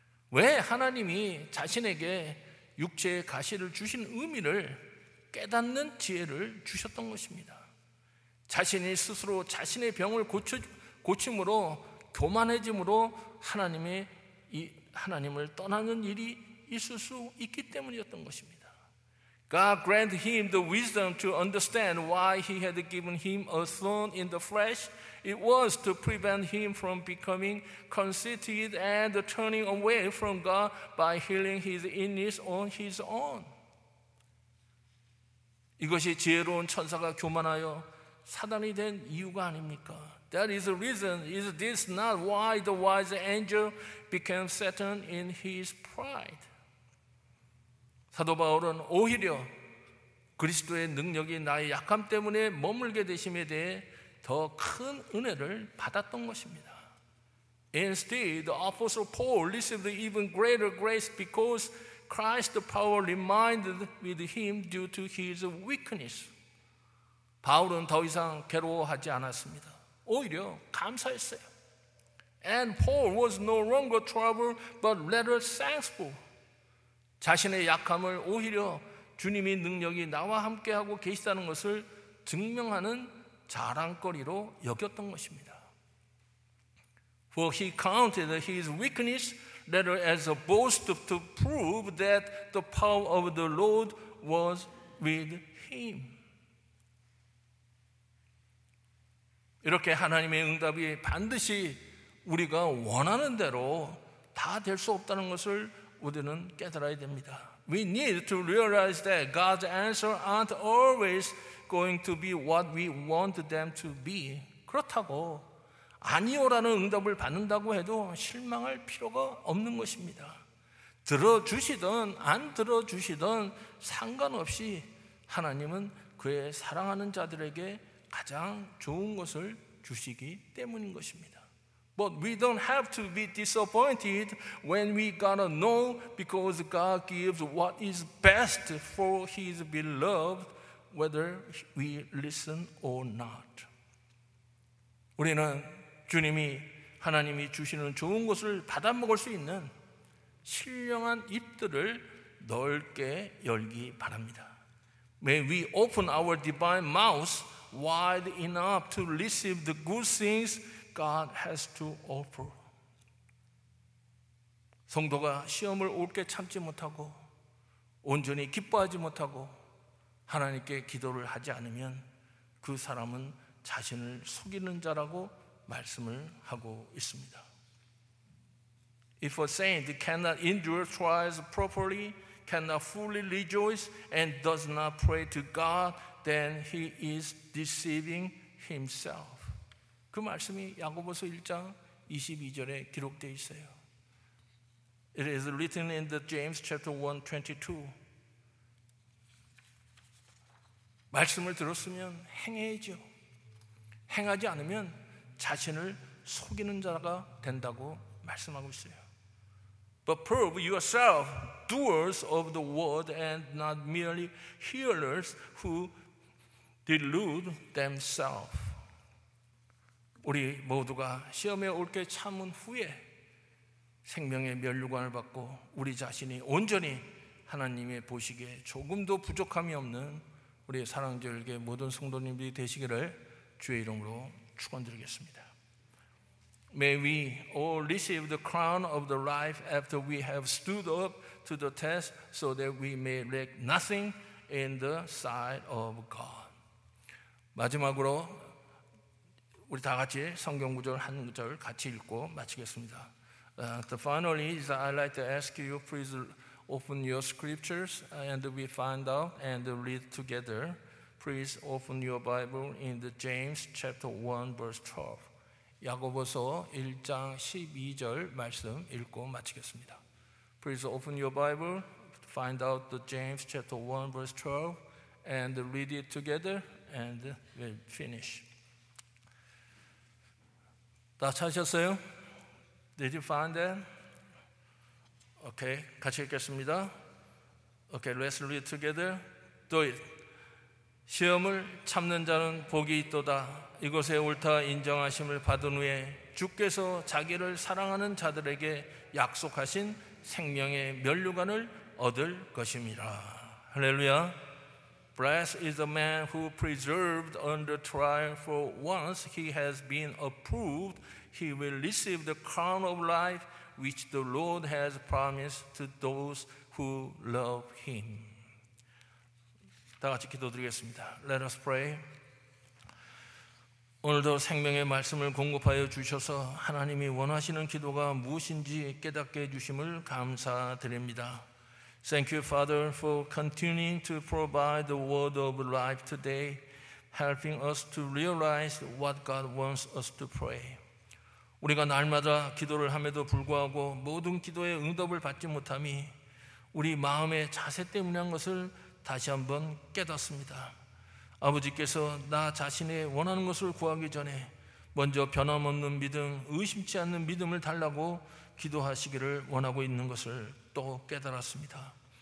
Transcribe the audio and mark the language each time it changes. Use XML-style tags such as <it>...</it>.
<ko>왜 하나님이 자신에게 육체의 가시를 주신 의미를 깨닫는 지혜를 주셨던 것입니다. 자신이 스스로 자신의 병을 고침으로 교만해짐으로 하나님의 하나님을 떠나는 일이 있을 수 있기 때문이었던 것입니다.</ko> <en>God grant him the wisdom to understand why he had given him a thorn in the flesh. It was to prevent him from becoming conceited and turning away from God by healing his illness on his own.</en> <ko>이것이 지혜로운 천사가 교만하여 사단이 된 이유가 아닙니까?</ko> <en>That is the reason. Is this not why the wise angel became Satan in his pride?</en> <ko>사도 바울은 오히려 그리스도의 능력이 나의 약함 때문에 머물게 되심에 대해 더 큰 은혜를 받았던 것입니다.</ko> <en>Instead, the apostle Paul received even greater grace because Christ's power remained with him due to his weakness.</en> <ko>바울은 더 이상 괴로워하지 않았습니다. 오히려 감사했어요.</ko> <en>And Paul was no longer troubled but rather thankful.</en> <ko>자신의 약함을 오히려 주님의 능력이 나와 함께하고 계시다는 것을 증명하는 자랑거리로 여겼던 것입니다.</ko> <en>For he counted his weakness rather as a boast to prove that the power of the Lord was with him.</en> <ko>이렇게 하나님의 응답이 반드시 우리가 원하는 대로 다 될 수 없다는 것을 우리는 깨달아야 됩니다.</ko> <en>We need to realize that God's answers aren't always going to be what we want them to be.</en> <ko>그렇다고 아니오라는 응답을 받는다고 해도 실망할 필요가 없는 것입니다. 들어주시든 안 들어주시든 상관없이 하나님은 그의 사랑하는 자들에게 가장 좋은 것을 주시기 때문인 것입니다.</ko> <en>But we don't have to be disappointed when we got a no because God gives what is best for his beloved whether we listen or not.</en> <ko>우리는 주님이 하나님이 주시는 좋은 것을 받아 먹을 수 있는 신령한 입들을 넓게 열기 바랍니다.</ko> <en>May we open our divine mouths wide enough to receive the good things God has to offer.</en> <ko>성도가 시험을 올게 참지 못하고 온전히 기뻐하지 못하고 하나님께 기도를 하지 않으면 그 사람은 자신을 속이는 자라고 말씀을 하고 있습니다.</ko> <en>If a saint cannot endure trials properly, cannot fully rejoice, and does not pray to God, then he is deceiving himself.</en> <ko>그 말씀이 야고보서 1장 22절에 기록되어 있어요.</ko> <en>It is written in the James chapter 1:22.</en> <ko>말씀을 들었으면 행해야죠. 행하지 않으면 자신을 속이는 자가 된다고 말씀하고 있어요.</ko> <en>But prove yourself doers of the word and not merely hearers who delude themselves.</en> <ko>우리 모두가 시험에 올게 참은 후에 생명의 면류관을 받고 우리 자신이 온전히 하나님의 보시기에 조금도 부족함이 없는 우리 사랑절개 모든 성도님들이 되시기를 주의 이름으로 축원드리겠습니다.</ko> <en>May we all receive the crown of the life after we have stood up to the test so that we may lack nothing in the sight of God.</en> <ko>마지막으로 우리 다 같이 성경 구절 한 구절 같이 읽고 마치겠습니다.</ko> <en>Finally, I'd like to ask you, please open your scriptures and we find out and read together. Please open your Bible in the James chapter 1 verse 12.</en> <ko>야고보서 1장 12절 말씀 읽고 마치겠습니다.</ko> <en>Please open your Bible, find out the James chapter 1 verse 12 and read it together and we'll finish.</en> <ko>다 찾으셨어요?</ko> <en>Did you find that? Okay,</en> <ko>같이 읽겠습니다.</ko> <en>Okay, let's read together. Do it.</en> <ko>시험을 참는 자는 복이 있도다. 이곳에 옳다 인정하심을 받은 후에 주께서 자기를 사랑하는 자들에게 약속하신 생명의 면류관을 얻을 것입니다. 할렐루야.</ko> <en>Blessed is the man who preserved under trial, for once he has been approved, he will receive the crown of life which the Lord has promised to those who love him.</en> <ko>다 같이 기도드리겠습니다.</ko> <en>Let us pray.</en> <ko>오늘도 생명의 말씀을 공급하여 주셔서 하나님이 원하시는 기도가 무엇인지 깨닫게 해주심을 감사드립니다.</ko> <en>Thank you, Father, for continuing to provide the word of life today, helping us to realize what God wants us to pray.</en> <ko>우리가 날마다 기도를 함에도 불구하고 모든 기도에 응답을 받지 못함이 우리 마음의 자세 때문인 것을 다시 한번 깨닫습니다. 아버지께서 나 자신의 원하는 것을 구하기 전에 먼저 변함없는 믿음, 의심치 않는 믿음을 달라고 기도하시기를 원하고 있는 것을 또 깨달았습니다.</ko>